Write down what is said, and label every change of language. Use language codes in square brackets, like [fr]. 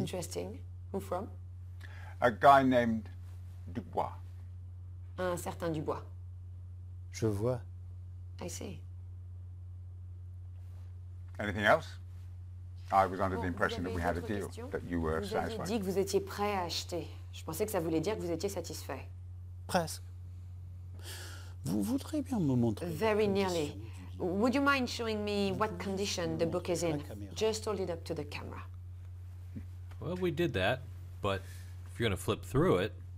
[en] Interesting. Who from? A guy named Dubois. [fr] Un certain Dubois. Je vois. [en] I see. Anything else? I was under the impression that we had a deal, that you were [fr] vous [en] satisfied. [fr] Vous avez dit que vous étiez prêt à acheter. Je pensais que ça voulait dire que vous étiez satisfait. Presque. Vous voudriez bien me montrer. [en] Very nearly. Would you mind showing me what condition the book is in? Just hold it up to the camera. Well, we did that, but if you're going to flip through it...